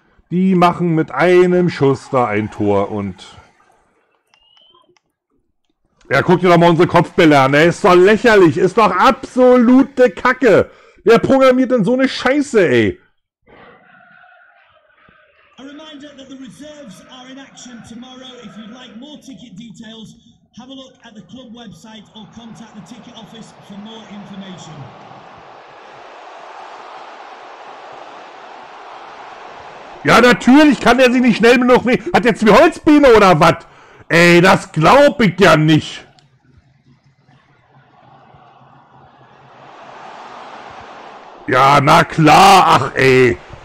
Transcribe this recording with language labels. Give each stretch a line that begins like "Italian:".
German: Die machen mit einem Schuss da ein Tor und... Ja, guck dir doch mal unsere Kopfbälle an. Ey, ist doch lächerlich. Ist doch absolute Kacke. Wer programmiert denn so eine Scheiße, ey?
English: A reminder that the reserves are in action tomorrow. If you'd like more ticket details, have a look at the club website or contact the ticket office for more information.
German: Ja, natürlich kann er sich nicht schnell genug wehen. Hat er zwei Holzbiene oder was? Ey, das glaub ich ja nicht. Ja, na klar, ach ey.